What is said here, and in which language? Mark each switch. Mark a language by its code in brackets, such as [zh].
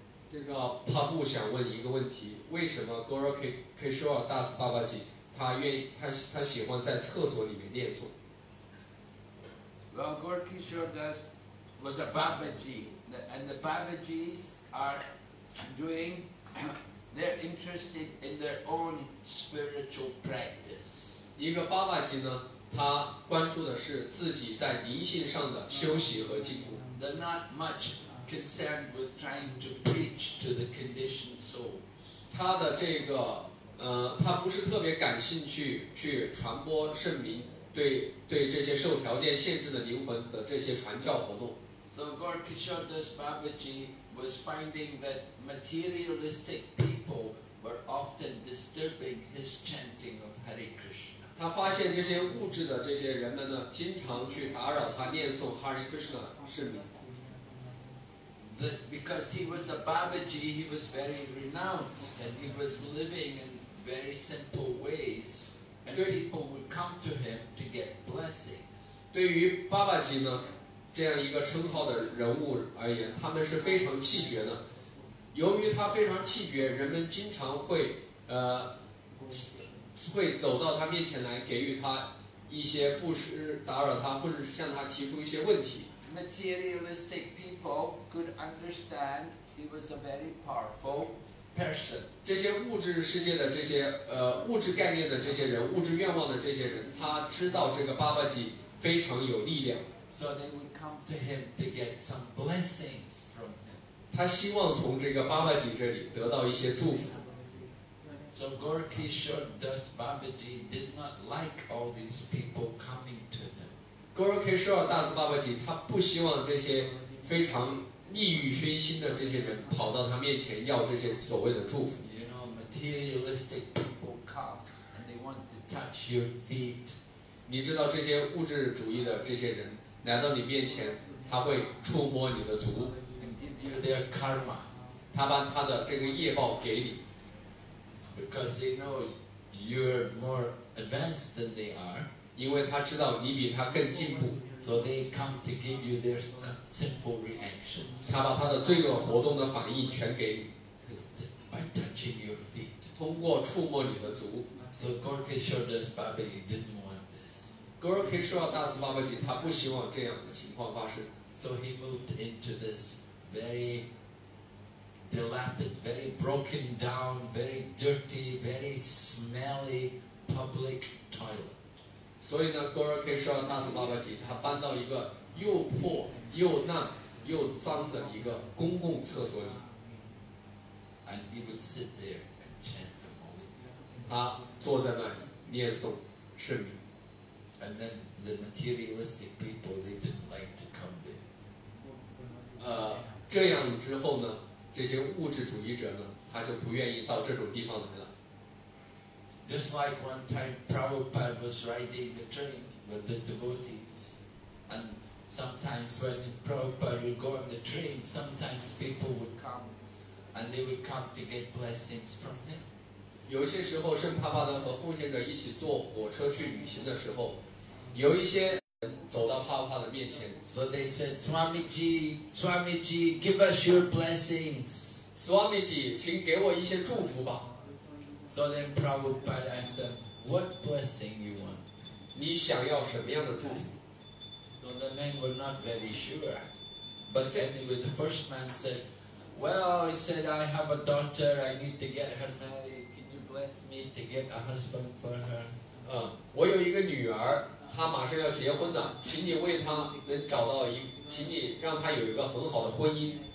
[zh] 这个帕布想问一个问题，为什么 Gaura Kishora Dasa Babaji 他喜欢在厕所里面念诵 [en] ？Well, Gaura Kishora Das was a Babaji, and the Babajis are doing, they're interested in their own spiritual practice. [zh] 一个巴巴吉呢，他关注的是自己在灵性上的休息和进步。 [en] They're not much. Concerned with trying to preach to the conditioned souls. [zh] 他的这个他不是特别感兴趣去传播圣名，对这些受条件限制的灵魂的这些传教活动。 [en] So Gaura Kishora Das Babaji was finding that materialistic people were often disturbing his chanting of Hare Krishna. [zh] 他发现这些物质的这些人们呢，经常去打扰他念诵 Hare Krishna 圣名。 [en] That because he was a Babaji, he was very renounced, and he was living in very simple ways, and people would come to him to get blessings. [zh] 对于巴巴吉呢，这样一个称号的人物而言，他们是非常气绝的。由于他非常气绝，人们经常会走到他面前来，给予他一些不时打扰他，或者是向他提出一些问题。 [en] Materialistic people could understand he was a very powerful person. [zh] 这些物质世界的这些物质概念的这些人，物质愿望的这些人，他知道这个巴巴吉非常有力量。 [en] So they would come to him to get some blessings from him. [zh] 他希望从这个巴巴吉这里得到一些祝福。 [en] So Gaur Kishor Das Babaji did not like all these people coming to them. [zh] Gaur Kishor Das Babaji 他不希望这些非常利欲熏心的这些人跑到他面前要这些所谓的祝福。 [en] You know, materialistic people come and they want to touch your feet. [zh] 你知道这些物质主义的这些人来到你面前，他会触摸你的足。 [en] And give you their karma. [zh] 他把他的这个业报给你。 [en] Because they know you're more advanced than they are, [zh] 因为他知道你比他更进步 [en] so they come to give you their sinful reactions. [zh] 他把他的罪恶活动的反应全给你 [en] by touching your feet. [zh] 通过触摸你的足 [en] So Gaur Kishor Das Babaji didn't want this. [zh] Gaur Kishor Das Babaji 他不希望这样的情况发生 [en] So he moved into this very. Dilapidated, very broken down, very dirty, very smelly public toilet. [zh] 所以呢 Gaur Kishor Das Babaji 他搬到一个又破又烂又脏的一个公共厕所里。 [en] And he would sit there and chant the holy. [zh] 他坐在那里念诵圣名。 [en] And then the materialistic people they didn't like to come there. [zh] 这样之后呢？这些物质主义者呢，他就不愿意到这种地方来了。 [en] Just like one time, Prabhupada was riding the train with the devotees, and sometimes when Prabhupada would go on the train, sometimes people would come, and they would come to get blessings from him. [zh] 有些时候，圣帕帕德和奉献者一起坐火车去旅行的时候，有一些。走到帕帕的面前 [en] So they said, Swamiji, Swamiji, give us your blessings. [zh] Swamiji, 请给我一些祝福吧 [en] So then Prabhupada asked them, what blessing you want? [zh] 你想要什么样的祝福 [en] So the men were not very sure. But anyway, the first man said, well, he said, I have a daughter, I need to get her married. Can you bless me to get a husband for her? [zh] 我有一个女儿他马上要结婚的，请你为他能找到一，请你让他有一个很好的婚姻。